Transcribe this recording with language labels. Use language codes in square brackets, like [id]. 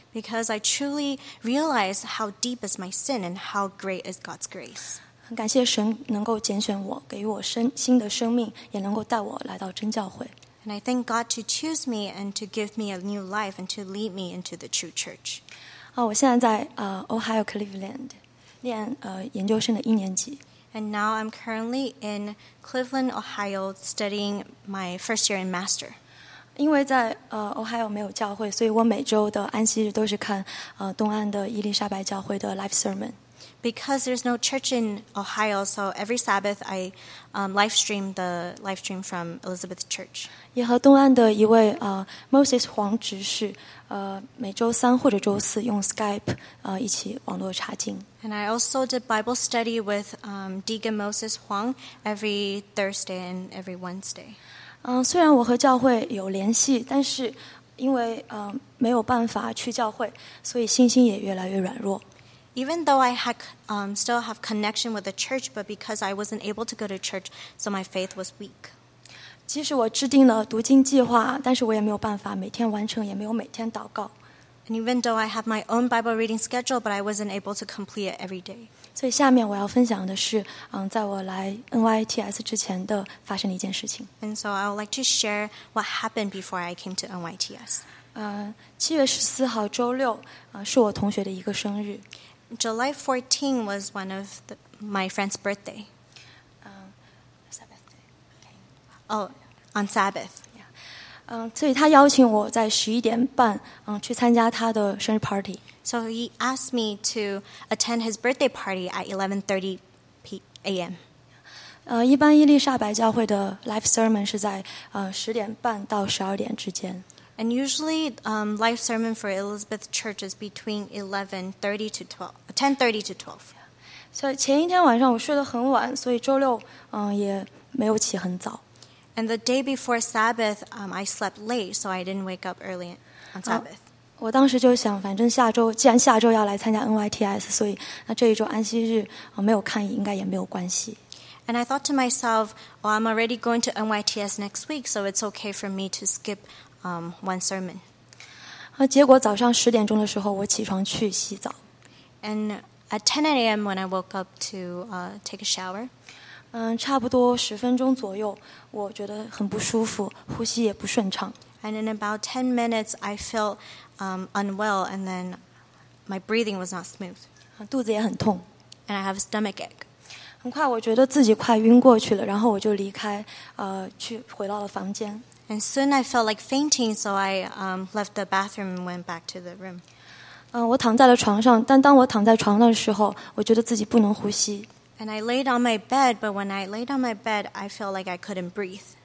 [en] Because I truly realize how deep is my sin and how great is God's grace. [zh] 很感谢神能够拣选我，给予我新的生命，也能够带我来到真教会。 [en] And I thank God to choose me and to give me a new life and to lead me into the true church. [zh] 我现在在Ohio Cleveland 念研究生的一年级。 [en] And now I'm currently in Cleveland, Ohio, studying my first year in master. [zh] 因为在Ohio 没有教会，所以我每周的安息日都是看东岸的伊丽莎白教会的 [en] live sermon. Because there's no church in Ohio, so every Sabbath I live stream the live stream from Elizabeth Church. [zh] 也和东岸的一位Moses 黄执事每周三或者周四用 Skype 一起网络查经。 [en] And I also did Bible study with Deacon Moses Huang every Thursday and every Wednesday. [zh] 虽然我和教会有联系，但是因为没有办法去教会，所以信心也越来越软弱。 [en] Even though I had still have connection with the church, but because I wasn't able to go to church, so my faith was weak. [zh] 即使我制定了读经计划，但是我也没有办法每天完成，也没有每天祷告。 [en] And even though I have my own Bible reading schedule, but I wasn't able to complete it every day. [zh] 所以下面我要分享的是，在我来 NYTS 之前的发生的一件事情。 [en] And so I would like to share what happened before I came to NYTS. [zh] 七月十四号周六，是我同学的一个生日。 [en] July 14 was one of my friend's birthday. Sabbath day. Oh, on Sabbath. [zh] 所以他邀请我在十一点半，去参加他的生日 party. [en] So he asked me to attend his birthday party at 11:30 a.m. [zh] 一般伊丽莎白教会的 [en] live sermon [zh] 是在十点半到十二点之间。 [en] And usually, live sermon for Elizabeth Church is between 10:30 to 12. [zh] 所以前一天晚上我睡得很晚，所以周六，也没有起很早。 [en] And the day before Sabbath, I slept late, so I didn't wake up early on Sabbath. [zh] 我当时就想，反正下周既然下周要来参加 NYTS, 所以那这一周安息日没有看应该也没有关系。 [en] And I thought to myself, well, I'm already going to NYTS next week, so it's okay for me to skip one sermon. [zh] 结果早上十点钟的时候，我起床去洗澡。 [en] And at 10 a.m. when I woke up to take a shower. [zh] 差不多十分钟左右，我觉得很不舒服，呼吸也不顺畅。 [en] And in about 10 minutes, I felt unwell, and then my breathing was not smooth. [zh] 肚子也很痛。 [en] And I have a stomach ache. [zh] 很快我觉得自己快晕过去了，然后我就离开，去回到了房间。 [en] And soon I felt like fainting, so I left the bathroom and went back to the room. [zh] 我躺在了床上，但当我躺在床上的时候，我觉得自己不能呼吸。 [en] And I laid on my bed, but when I laid on my bed, I felt like I couldn't breathe.